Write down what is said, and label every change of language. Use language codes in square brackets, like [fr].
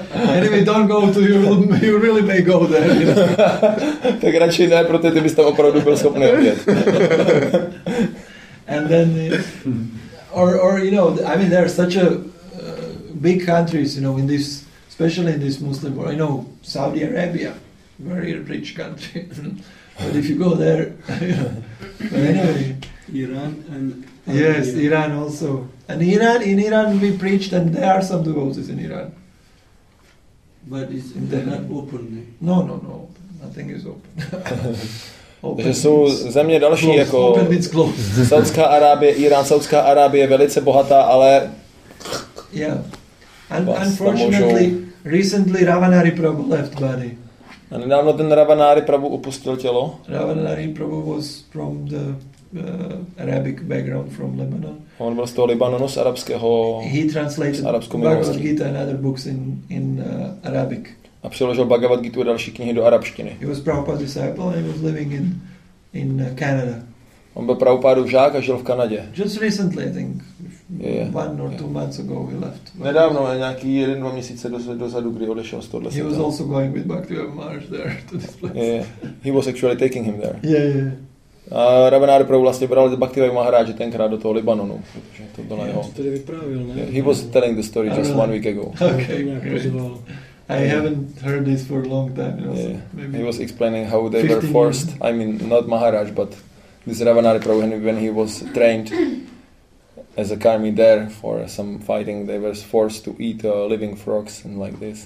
[en] Anyway, don't go to you really may go there. [cs] Tak radši ne, protože ty bys tam opravdu byl schopný odjet. [en] And then, or you know, I mean, there are such a big countries, you know, in this, especially in this Muslim world. I know Saudi Arabia, very rich country, but if you go there, you know, anyway, Iran and yes, Iran. Iran also, and Iran, in Iran we preached, and there are some devotees in Iran, but it's not open. No, nothing is open. [cs] Že jsou země další, [en] close, [cs] jako Saudská Arábie, Irán, Saudská Arábie, velice bohatá, ale [en] yeah. And unfortunately, recently Ravanari Prabhu left body. [cs] A nedávno ten Ravanari Prabhu opustil tělo. [en] Ravanari Prabhu was from the Arabic background, from Lebanon. [cs] On byl z toho Libanonu, z arabského. [en] He translated Bhagavad Gita and other books in Arabic. [cs] A přeložil Bhagavad Gita další knihy do arabštiny. [en] He was Prabhupada's disciple and he was living in Canada. [cs] On byl Prabhupádův žák a žil v Kanadě. [en] Just recently, I think, one or two months ago, he left. [cs] Nedávno, nějaký jeden, dva měsíce dozadu, kdy odešel z tohle. [en] He was also going with Bhakti Maharaj there to this place. He was actually taking him there. Yeah. [cs] Ravanari Prabhu vlastně bral Bhakti Maharaj tenkrát do toho Libanonu, protože to bylo jeho. To tady vyprávil, ne? [en] He was telling the story just one week ago. Okay, I haven't heard this for a long time. You know, yeah. So maybe he was explaining how they were forced. I mean, not Maharaj, but this Ravanari Prabhu, when he was trained as a karmi there for some fighting, they were forced to eat living frogs and like this.